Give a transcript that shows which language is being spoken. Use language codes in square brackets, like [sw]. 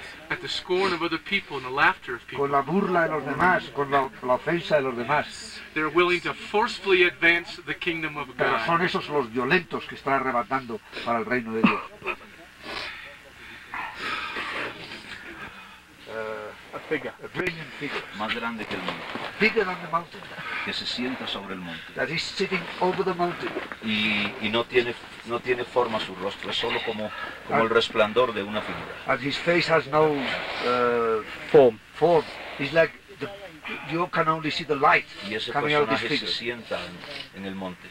[en] at the scorn of other people and the laughter of people, [es] con la burla de los demás, con la ofensa de los demás. [en] They're willing to forcefully advance the kingdom of God. [es] Pero son esos los violentos que están arrebatando para el reino de Dios. [en] A brilliant figure. [es] Más grande que el mundo. [en] Bigger than the mountain. [es] Que se sienta sobre el monte. [en] That is sitting over the mountain. [es] Y no tiene forma su rostro. Es solo como el resplandor de una figura. [en] And his face has no form. Form. It's like you can only see the light. [es] Y ese personaje se sienta en el monte.